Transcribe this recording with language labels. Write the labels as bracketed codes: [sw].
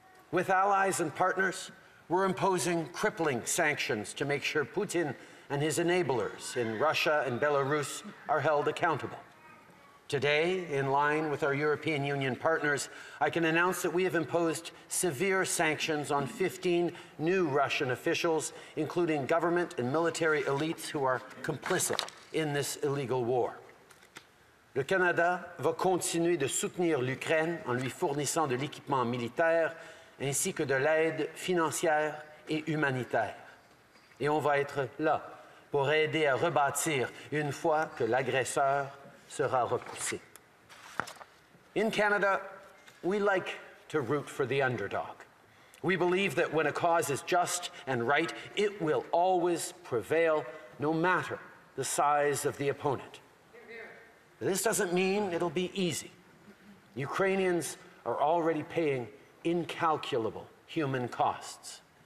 [en] With allies and partners, we're imposing crippling sanctions to make sure Putin and his enablers in Russia and Belarus are held accountable. Today, in line with our European Union partners, I can announce that we have imposed severe sanctions on 15 new Russian officials, including government and military elites who are complicit in this illegal war. [fr] Le Canada va continuer de soutenir l'Ukraine en lui fournissant de l'équipement militaire, ainsi que de l'aide financière et humanitaire. Et on va être là pour aider à rebâtir une fois que l'agresseur sera repoussé. [en] In Canada, we like to root for the underdog. We believe that when a cause is just and right, it will always prevail, no matter the size of the opponent. But this doesn't mean it'll be easy. Ukrainians are already paying incalculable human costs.